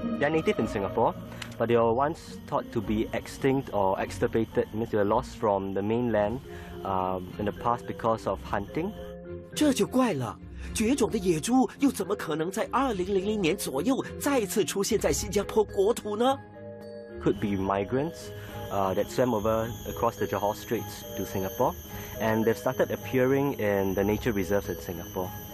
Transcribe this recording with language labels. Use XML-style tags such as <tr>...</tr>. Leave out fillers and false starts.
<en>native in Singapore, but they were once thought to be extinct or extirpated, means they were lost from the mainland, in the past because of hunting.</en> <zh>这就怪了，绝种的野猪又怎么可能在2000年左右再次出现在新加坡国土呢？</zh> <en>Could be migrants. That swam over across the Johor Straits to Singapore, and they've started appearing in the nature reserves in Singapore.</en>